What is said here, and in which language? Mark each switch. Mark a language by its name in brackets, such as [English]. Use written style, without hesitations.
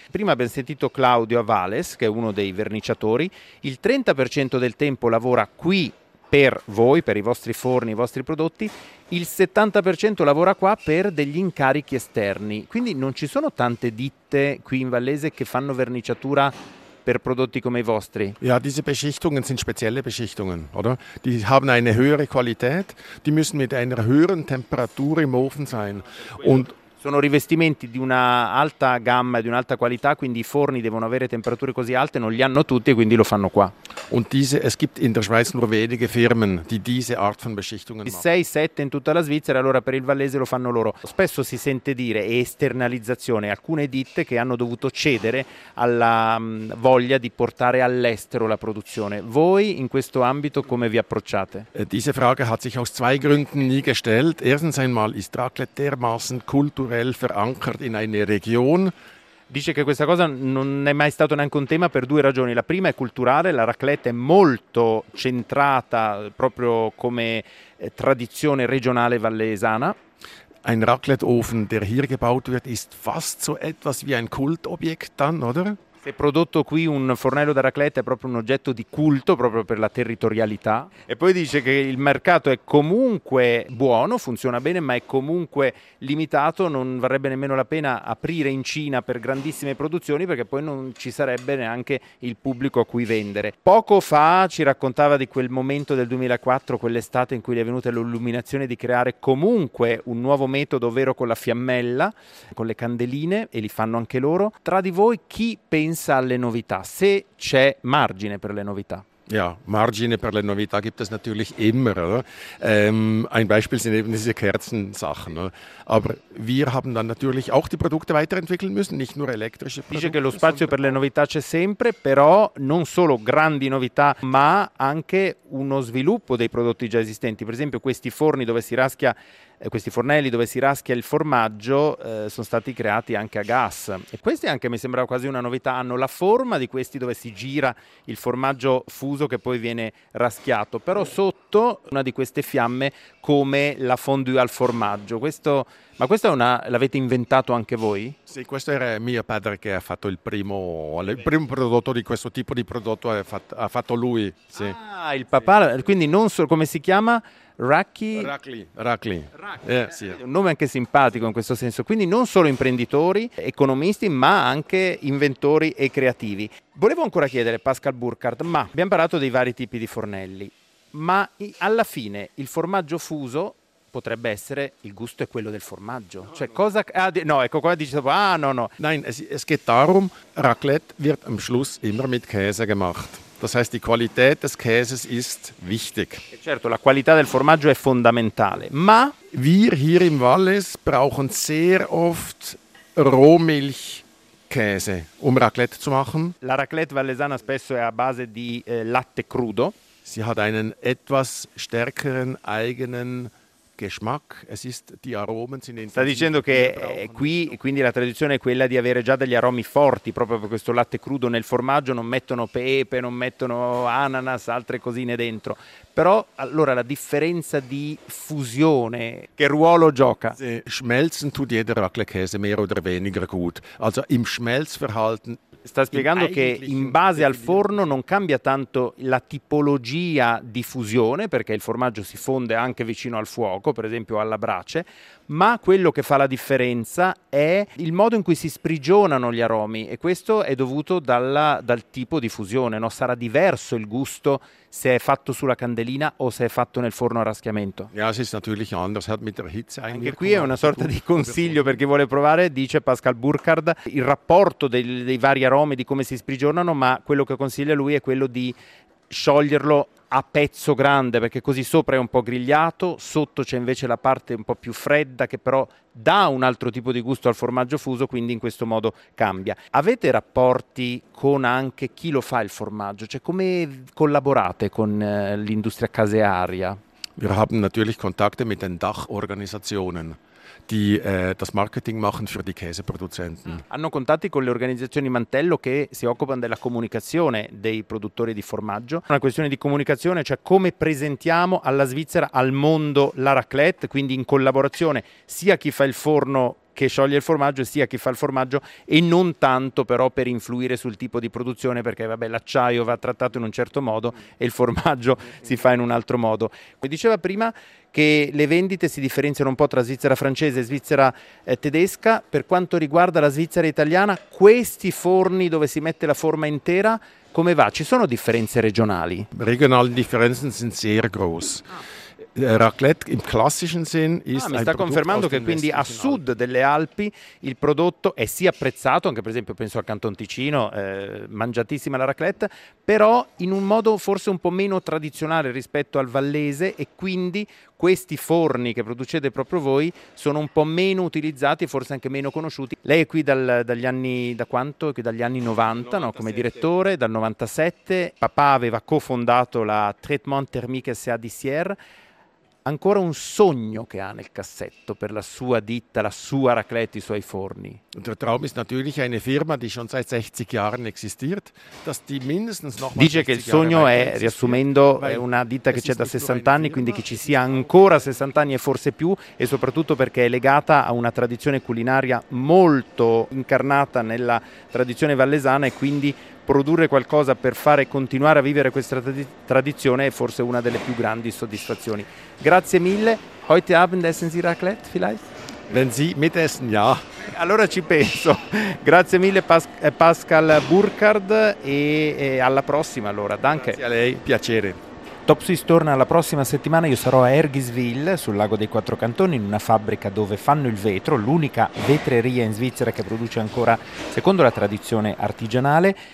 [Italian] Prima abbiamo sentito Claudio Avales, che è uno dei verniciatori. Il 30% del tempo lavora qui per voi, per i vostri forni, i vostri prodotti, il 70% lavora qua per degli incarichi esterni. Quindi non ci sono tante ditte qui in Vallese che fanno verniciatura per prodotti come i vostri. [German] Ja, diese Beschichtungen sind spezielle Beschichtungen, oder? Die haben eine höhere Qualität, die müssen mit einer höheren Temperatur im Ofen sein. Und [Italian] sono rivestimenti di una alta gamma, di un'alta qualità, quindi i forni devono avere temperature così alte, non li hanno tutti e quindi lo fanno qua. [German] Und diese, es gibt in der Schweiz nur wenige Firmen, die diese Art von Beschichtungen machen. [Italian] 6-7 in tutta la Svizzera, allora per il Vallese lo fanno loro. Spesso si sente dire esternalizzazione, alcune ditte che hanno dovuto cedere alla voglia di portare all'estero la produzione. Voi in questo ambito come vi approcciate? [German] Diese Frage hat sich aus zwei Gründen nie gestellt. Erstens einmal ist Raclette dermaßen kulturell verankert in eine Region. [Italian] Dice che questa cosa non è mai stato neanche un tema per due ragioni. La prima è culturale, la raclette è molto centrata proprio come tradizione regionale vallesana. [German] Ein Racletteofen, der hier gebaut wird, ist fast so etwas wie ein Kultobjekt dann, oder? [Italian] Se prodotto qui un fornello da raclette è proprio un oggetto di culto, proprio per la territorialità. E poi dice che il mercato è comunque buono, funziona bene, ma è comunque limitato. Non varrebbe nemmeno la pena aprire in Cina per grandissime produzioni, perché poi non ci sarebbe neanche il pubblico a cui vendere. Poco fa ci raccontava di quel momento del 2004, quell'estate in cui gli è venuta l'illuminazione di creare comunque un nuovo metodo, ovvero con la fiammella, con le candeline, e li fanno anche loro. Tra di voi chi pensa alle novità, se c'è margine per le novità. [German] Ja, [Italian] margine per le novità [German] gibt es natürlich immer. Oder? Ein Beispiel sind eben diese Kerzensachen. Oder? Aber wir haben dann natürlich auch die Produkte weiterentwickeln müssen, nicht nur elektrische Produkte. [Italian] Dice che lo spazio per le novità c'è sempre, però non solo grandi novità, ma anche uno sviluppo dei prodotti già esistenti. Per esempio questi forni dove si raschia, questi fornelli dove si raschia il formaggio, sono stati creati anche a gas. E questi anche mi sembrava quasi una novità, hanno la forma di questi dove si gira il formaggio fuso che poi viene raschiato, però sotto una di queste fiamme come la fondue al formaggio. Questo, ma questo è una, l'avete inventato anche voi? Sì, questo era mio padre che ha fatto il primo prodotto di questo tipo di prodotto, ha fatto lui. Sì. Ah, il papà, sì. Quindi non so come si chiama. Rackley. Sì. Un nome anche simpatico in questo senso. Quindi non solo imprenditori, economisti, ma anche inventori e creativi. Volevo ancora chiedere, Pascal Burkhardt, ma abbiamo parlato dei vari tipi di fornelli, ma alla fine il formaggio fuso potrebbe essere il gusto è quello del formaggio. No, cioè no. Cosa... no, ecco qua dice... Ah, no, no. [German] Nein, es geht darum, Raclette wird am Schluss immer mit Käse gemacht. Das heißt, die Qualität des Käses ist wichtig. [Italian] Certo, la qualità del formaggio è fondamentale, ma [German] wir hier im Wallis brauchen sehr oft Rohmilchkäse, um Raclette zu machen. [Italian] La raclette vallesana spesso è a base di latte crudo. [German] Sie hat einen etwas stärkeren eigenen Geschmack. Es ist die Aromen sind [Italian] sta dicendo che qui quindi la tradizione è quella di avere già degli aromi forti proprio per questo latte crudo nel formaggio, non mettono pepe, non mettono ananas, altre cosine dentro. Però allora la differenza di fusione che ruolo gioca? Sì. [German] Schmelzen tut jeder Raclette-Käse mehr oder weniger gut. Also im Schmelzverhalten. [Italian] Sta spiegando che in base al forno non cambia tanto la tipologia di fusione, perché il formaggio si fonde anche vicino al fuoco, per esempio alla brace, ma quello che fa la differenza è il modo in cui si sprigionano gli aromi, e questo è dovuto dal tipo di fusione, no? Sarà diverso il gusto se è fatto sulla candelina o se è fatto nel forno a raschiamento. [German] Ja, es ist natürlich anders, hat mit der Hitze eigentlich. [Italian] Anche qui è una sorta di consiglio per chi vuole provare, dice Pascal Burkhard, il rapporto dei vari aromi, di come si sprigionano, ma quello che consiglia lui è quello di scioglierlo a pezzo grande, perché così sopra è un po' grigliato, sotto c'è invece la parte un po' più fredda che però dà un altro tipo di gusto al formaggio fuso, quindi in questo modo cambia. Avete rapporti con anche chi lo fa il formaggio? Cioè, come collaborate con l'industria casearia? Wir haben natürlich Kontakte mit den Dachorganisationen, die das Marketing machen für die Käseproduzenten. Hanno contatti con le organizzazioni mantello che si occupano della comunicazione dei produttori di formaggio. Una questione di comunicazione, cioè come presentiamo alla Svizzera, al mondo, la raclette, quindi in collaborazione sia chi fa il forno che scioglie il formaggio sia chi fa il formaggio, e non tanto però per influire sul tipo di produzione, perché vabbè, l'acciaio va trattato in un certo modo e il formaggio si fa in un altro modo. Come diceva prima, che le vendite si differenziano un po' tra Svizzera francese e Svizzera tedesca. Per quanto riguarda la Svizzera italiana, questi forni dove si mette la forma intera, come va? Ci sono differenze regionali? Regionali differenze [German] sind sehr groß. Raclette im klassischen Sinn ist [Italian] mi sta confermando che quindi a sud delle Alpi il prodotto è sì apprezzato, anche per esempio penso al Canton Ticino, mangiatissima la raclette, però in un modo forse un po' meno tradizionale rispetto al Vallese, e quindi questi forni che producete proprio voi sono un po' meno utilizzati e forse anche meno conosciuti. Lei è qui dagli anni 90, no? Come direttore, dal 97, papà aveva cofondato la Traitement Thermique S.A. di Sierre. Ancora un sogno che ha nel cassetto per la sua ditta, la sua raclette, i suoi forni? [German] Der Traum ist natürlich eine Firma, die schon seit 60 Jahren existiert, dass die mindestens noch. [Italian] Dice che il sogno è, riassumendo, è una ditta che c'è da 60 anni, quindi che ci sia ancora 60 anni e forse più, e soprattutto perché è legata a una tradizione culinaria molto incarnata nella tradizione vallesana, e quindi produrre qualcosa per fare continuare a vivere questa tradizione è forse una delle più grandi soddisfazioni. Grazie mille. [German] Heute Abend essen Sie Raclette vielleicht? Wenn Sie mitessen, ja. [Italian] Allora ci penso. Grazie mille Pascal Burkhard, e alla prossima allora. [German] Danke. [Italian] Grazie a lei, piacere. Top Swiss torna la prossima settimana. Io sarò a Ergisville, sul Lago dei Quattro Cantoni, in una fabbrica dove fanno il vetro, l'unica vetreria in Svizzera che produce ancora secondo la tradizione artigianale.